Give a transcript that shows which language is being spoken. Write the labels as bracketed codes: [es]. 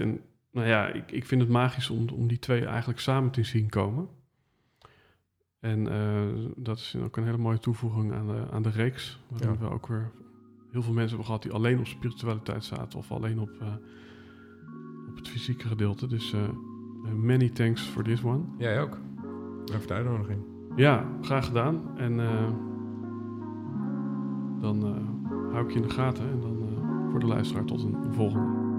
[nl] En nou ja, ik vind het magisch om die twee eigenlijk samen te zien komen. En dat is ook een hele mooie toevoeging aan de reeks. Waarin ja. We ook weer heel veel mensen hebben gehad die alleen op spiritualiteit zaten of alleen op het fysieke gedeelte. Dus [en] many thanks for this one. [nl] Jij ook. Bedankt voor de uitnodiging. Ja, graag gedaan. En dan hou ik je in de gaten. En dan voor de luisteraar tot een volgende.